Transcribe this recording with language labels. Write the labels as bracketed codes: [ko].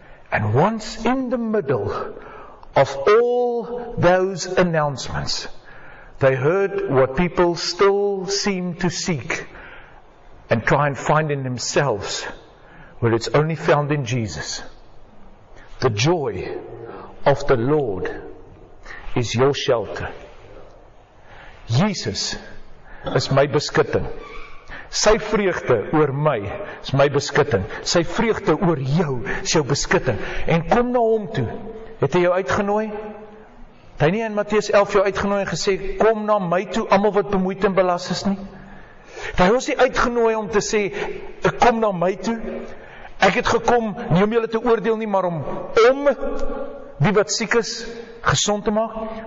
[en] And once in the middle of all those announcements, they heard what people still seem to seek and try and find in themselves, where it's only found in Jesus. The joy of the Lord is your shelter. [af] Jesus is my beskutting. Sy vreugde oor my is my beskutting. Sy vreugde oor jou is jou beskutting. En kom na hom toe. Het hy jou uitgenooi? Het hy nie in Matteus 11 jou uitgenooi en gesê, kom na my toe, almal wat bemoeid en belas is nie? Het hy ons nie uitgenooi om te sê, kom na my toe? Ek het gekom, nie om julle te oordeel nie, maar om die wat siek is, gesond te maak.